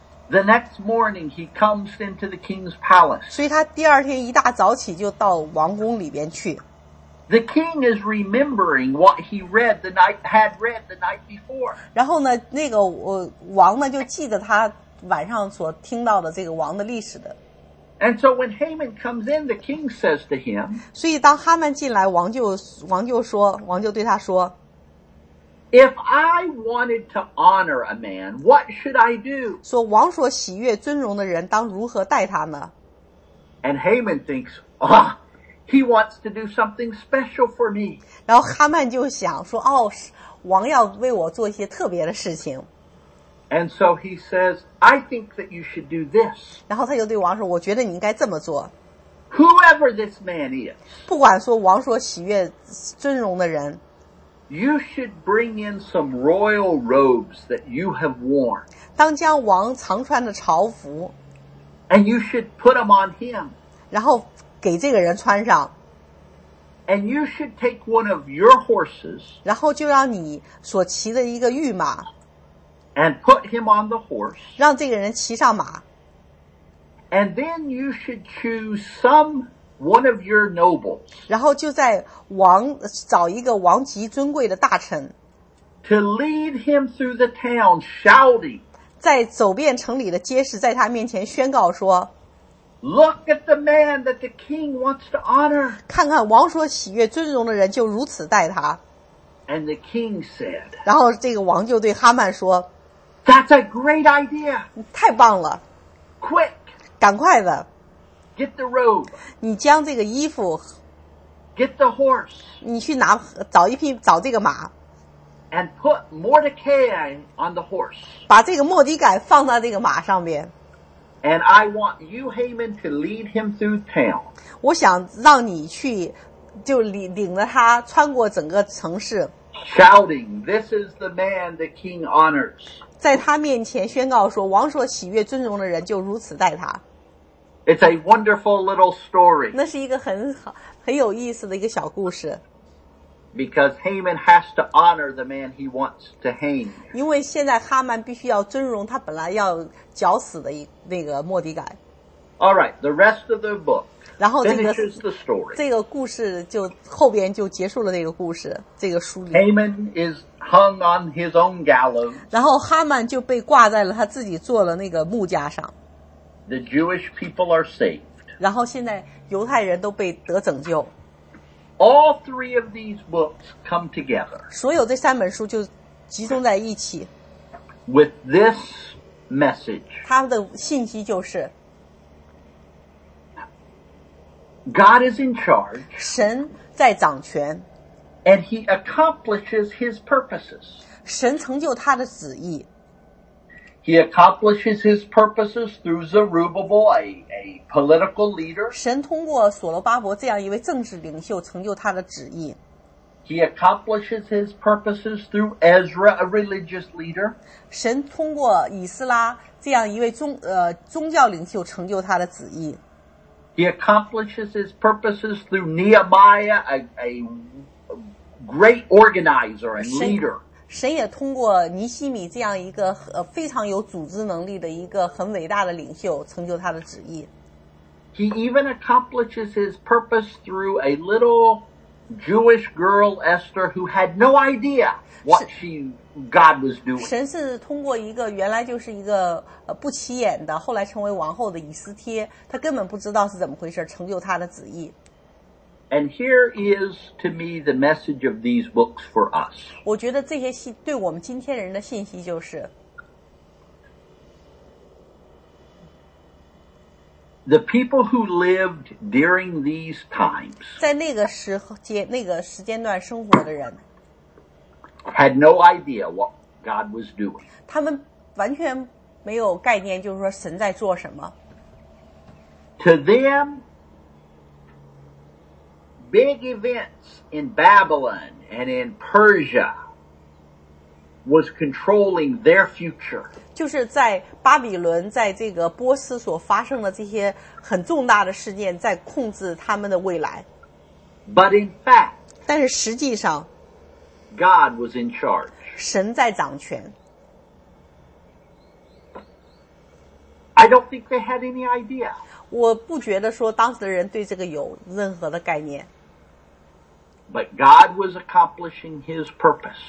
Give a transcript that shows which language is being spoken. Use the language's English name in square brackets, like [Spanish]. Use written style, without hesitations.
[English] The next morning, he comes into the king's palace. [Chinese] 所以他第二天一大早起就到王宫里边去。 [English] The king is remembering what he read the night, had read the night before. [Chinese] 然后呢，那个王呢就记得他晚上所听到的这个王的历史的。 [English] And so when Haman comes in, the king says to him. [Chinese] 所以当哈曼进来，王就对他说。 [English] If I wanted to honor a man, what should I do? [Chinese] 说王所喜悦尊荣的人当如何待他呢？ [English] And Haman thinks, ah, he wants to do something special for me. [Chinese] 然后哈曼就想说，哦，王要为我做一些特别的事情。 [English] And so he says, I think that you should do this. [Chinese] 然后他就对王说，我觉得你应该这么做。 [English] Whoever this man is. [Chinese] 不管说王所喜悦尊荣的人。 [English] You should bring in some royal robes that you have worn. [Chinese] 当将王常穿的朝服。 [English] And you should put them on him. [Chinese] 然后给这个人穿上。 [English] And you should take one of your horses. [Chinese] 然后就让你所骑的一个御马。 [English] And put him on the horse. [Chinese] 让这个人骑上马。 [English] And then you should choose some one of your nobles. [Chinese] 然后就在王找一个王级尊贵的大臣。 [English] To lead him through the town shouting. [Chinese] 在走遍城里的街市，在他面前宣告说。 [English] Look at the man that the king wants to honor. [Chinese] 看看王所喜悦尊荣的人就如此待他。 [English] And the king said. [Chinese] 然后这个王就对哈曼说。 [English] That's a great idea. [Chinese] 太棒了。 [English] Quick. [Chinese] 赶快的。 [English] Get the robe. [Chinese] 你将这个衣服。 [English] Get the horse. [Chinese] 你去拿找一匹找这个马。 [English] And put Mordecai on the horse. [Chinese] 把这个莫迪改放到这个马上边。 [English] And I want you, Haman, to lead him through town. [Chinese] 我想让你去就领着他穿过整个城市。 [English] Shouting, this is the man the king honors. [Chinese] 在他面前宣告说王所喜悦尊荣的人就如此待他。 [English] It's a wonderful little story. [Chinese] 那是一个很有意思的一个小故事。 [English] Because Haman has to honor the man he wants to hang. [Chinese] 因为现在哈曼必须要尊荣他本来要绞死的那个莫迪改。 [English] Alright, the rest of the book. [Chinese] 然后 [English] finishes the story. [Chinese] 这个故事就后边就结束了这个故事这个书里。 [English] Haman is hung on his own gallows. [Chinese] 然后哈曼就被挂在了他自己做了那个木架上。 [English] The Jewish people are saved. [Chinese] 然后现在犹太人都被得拯救。 [English] All three of these books come together. [Chinese] 所有这三本书就集中在一起。 [English] With this message. [Chinese] 他的信息就是。 [English] God is in charge. [Chinese] 神在掌权。 [English] And he accomplishes his purposes. [Chinese] 神成就他的旨意。 [English] He accomplishes his purposes through Zerubbabel, a political leader. [Chinese] 神通过所罗巴伯这样一位政治领袖成就他的旨意。 [English] He accomplishes his purposes through Ezra, a religious leader. [Chinese] 神通过以斯拉这样一位宗教领袖成就他的旨意。 [English] He accomplishes his purposes through Nehemiah, a great organizer and leader. [Chinese] 神也通过尼西米这样一个非常有组织能力的一个很伟大的领袖成就他的旨意。 [English] He even accomplishes his purpose through a little Jewish girl Esther who had no idea what God was doing. [Chinese] 神是通过一个原来就是一个不起眼的后来成为王后的以斯帖他根本不知道是怎么回事成就他的旨意。 [English] And here is to me the message of these books for us. [Chinese] 我觉得这些信对我们今天人的信息就是 [English] The people who lived during these times [Chinese] 在那个时间那个时间段生活的人 [English] had no idea what God was doing. [Chinese] 他们完全没有概念，就是说神在做什么。 [English] To them, big events in Babylon and in Persia was controlling their future. [Chinese] 就是在巴比伦，在这个波斯所发生的这些很重大的事件，在控制他们的未来。 [English] But in fact, [Chinese] 但是实际上 [English] God was in charge. [Chinese] 神在掌权。 [English] I don't think they had any idea. [Chinese] 我不觉得说当时的人对这个有任何的概念。 [English] But God was accomplishing His purpose.